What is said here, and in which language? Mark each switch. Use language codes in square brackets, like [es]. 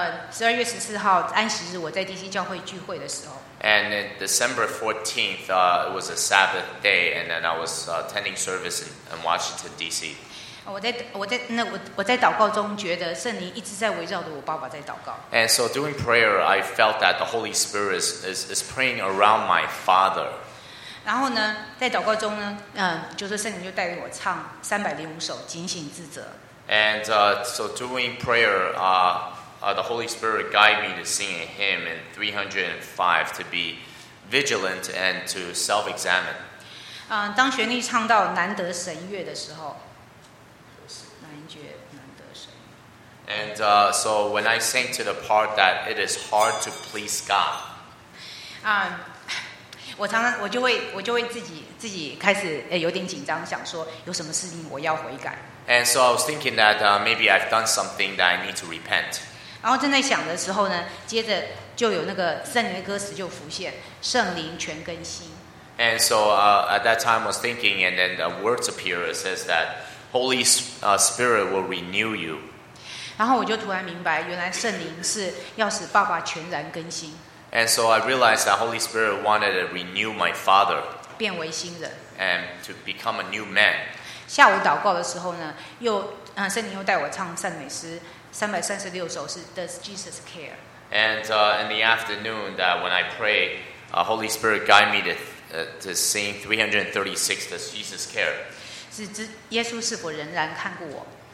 [zh] 12月14号安息日，我在 DC 教会聚会的时候。 [en] And in December 14th, it was a Sabbath day, and then I was attending service in Washington, D.C. [zh] 我在祷告中觉得圣灵一直在围绕着我爸爸在祷告。 [en] And so during prayer, I felt that the Holy Spirit is praying around my father. [zh] 然后呢，在祷告中呢，就是圣灵就带领我唱305首警醒自责。 [en] And so during prayer, the Holy Spirit guide me to sing a hymn in 305 to be vigilant and to self-examine. [zh] 当旋律唱到难得神悦的时候，难觉难得神。 [en] And so when I sang to the part that it is hard to please God. [zh] 我就会自己开始有点紧张，想说有什么事情我要悔改。 [en] And so I was thinking that maybe I've done something that I need to repent. [zh] 然后正在想的时候呢，接着就有那个圣灵的歌词就浮现，圣灵全更新。 [en] And so at that time I was thinking, and then the words appear. It says that Holy Spirit will renew you. [zh] 然后我就突然明白，原来圣灵是要使爸爸全然更新。 [en] And so I realized that Holy Spirit wanted to renew my father. [zh] 变为新人。 [en] And to become a new man. [zh] 下午祷告的时候呢，又圣灵又带我唱赞美诗。 336首是 Does Jesus Care? [en] And in the afternoon, that when I pray, Holy Spirit guide me to sing 336 Does Jesus Care? [zh] 是耶稣是否仍然看顾我？